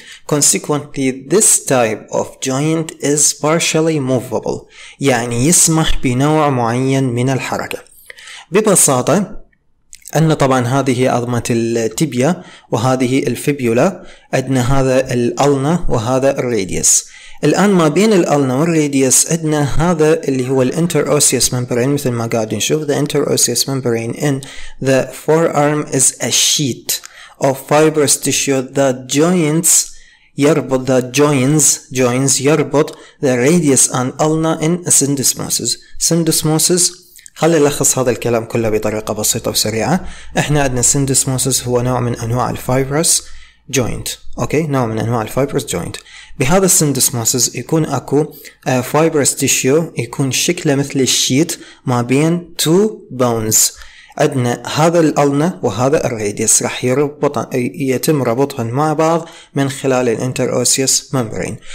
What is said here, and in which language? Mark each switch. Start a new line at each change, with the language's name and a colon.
English: Consequently, this type of joint is partially movable.
Arabic: يعني يسمح بنوع معين من الحركة. ببساطة أن طبعا هذه عظمة التيبيا وهذه الفيبيولا، أدنى هذا الألنا وهذا الريديس. الآن ما بين الألنا والريديس أدنى هذا اللي هو الانتروسيوس ممبرين، مثل ما قاعد نشوف
English: the interosseous membrane in the forearm is a sheet of fibrous tissue that joins
Arabic: يربط
English: the joints يربط the radius and ulna in syndesmosis.
Arabic: Syndesmosis، خلي نلخص هذا الكلام كله بطريقة بسيطة وسريعة. احنا عندنا syndesmosis هو نوع من انواع الفايبرس جوينت، اوكي، نوع من انواع الفايبرس جوينت. بهذا syndesmosis يكون اكو فايبرس تيشيو يكون شكله مثل الشيت ما بين تو بونز، عندنا هذا الالنا وهذا الريديس، راح يربط يتم ربطهم مع بعض من خلال الانتروسيوس ممبرين.